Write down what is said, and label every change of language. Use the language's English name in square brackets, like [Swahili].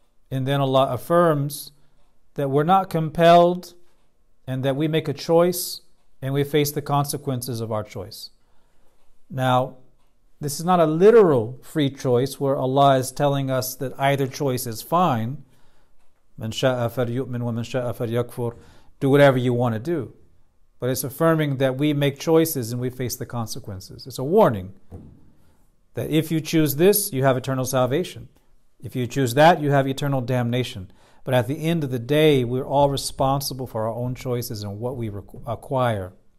[English] And then Allah affirms that we're not compelled and that we make a choice and we face the consequences of our choice. Now, this is not a literal free choice where Allah is telling us that either choice is fine. [Arabic] من شاء فليؤمن ومن شاء فليكفر. [English] Do whatever you want to do. But it's affirming that we make choices and we face the consequences. It's a warning that if you choose this, you have eternal salvation. If you choose that, you have eternal damnation. But at the end of the day, we're all responsible for our own choices and what we acquire.